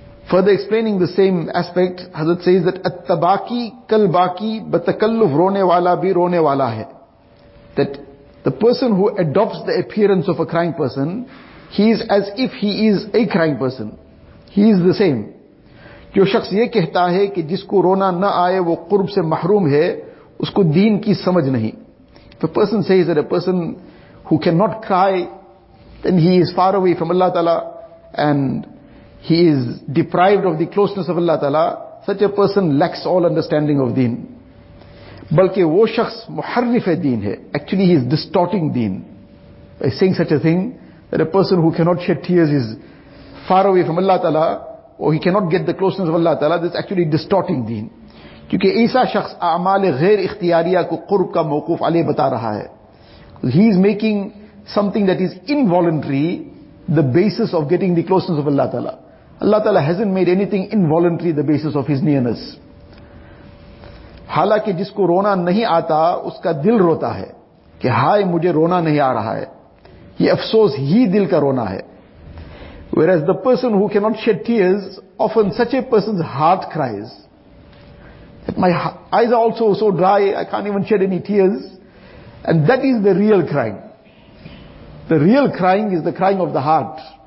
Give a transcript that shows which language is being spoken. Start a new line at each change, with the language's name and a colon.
English: Further explaining the same aspect, Hazrat says that
Urdu: At-tabaki kal-baki batakalluf rone wala bi rone wala hai.
English: That the person who adopts the appearance of a crying person, he is as if he is a crying person. He is the same.
Urdu: جو شخص یہ کہتا ہے کہ جس کو رونا نہ آئے وہ قرب سے محروم ہے اس کو دین کی سمجھ نہیں.
English: If a person says that a person who cannot cry, then he is far away from Allah Ta'ala and he is deprived of the closeness of Allah Ta'ala, such a person lacks all understanding of deen.
Urdu: بلکہ وہ شخص محرف دین ہے.
English: Actually he is distorting deen by saying such a thing, that a person who cannot shed tears is far away from Allah Ta'ala, or he cannot get the closeness of Allah Ta'ala, that's actually distorting deen.
Urdu: کیونکہ ایسا شخص اعمال غیر اختیاریہ کو قرب کا موقوف علیہ بتا رہا ہے.
English: He is making something that is involuntary the basis of getting the closeness of Allah Ta'ala. Allah Ta'ala hasn't made anything involuntary the basis of his nearness.
Urdu: حالانکہ جس کو رونا نہیں آتا اس کا دل روتا ہے کہ ہائے مجھے رونا نہیں آ رہا ہے. یہ افسوس ہی دل کا رونا ہے.
English: Whereas the person who cannot shed tears, often such a person's heart cries. That my eyes are also so dry, I can't even shed any tears. And that is the real crying. The real crying is the crying of the heart.